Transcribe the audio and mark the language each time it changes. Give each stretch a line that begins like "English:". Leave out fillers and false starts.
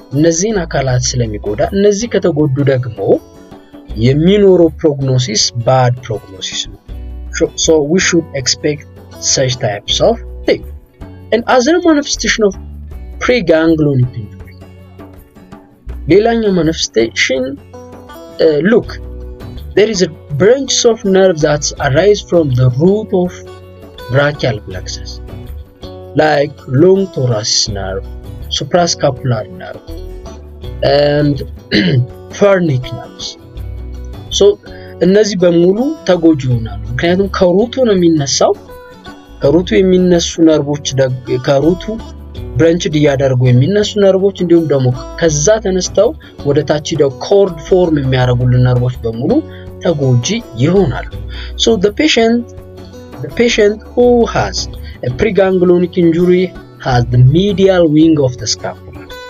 Amharic: እነዚህን አካላት ስለሚጎዳ እነዚህ ከተጎዱ ደግሞ የሚኖሩ prognosis bad prognosis.
English: So we should expect such types of thing. And as a manifestation of preganglionic injury, ሌላኛው manifestation, look, there is a branch of nerve that arises from the root of brachial plexus, like long thoracic nerve, suprascapular nerve, and pharyngeals.
Amharic: So እነዚ በሙሉ ተጎጂ ሆናሉ። ምክንያቱም ከሩቱ ነው የሚነሳው። ከሩቱ የሚነሱ ነርቮች ከሩቱ ብራንችድ ያደርጉ የሚነሱ ነርቮች እንዲሁም ደግሞ ከዛ ተነስተው ወደ ታች ደው cord form የሚያረጉልን ነርቮች በሙሉ ተጎጂ ይሆናሉ።
English: So the patient who has a preganglionic injury has the medial wing of the scapula.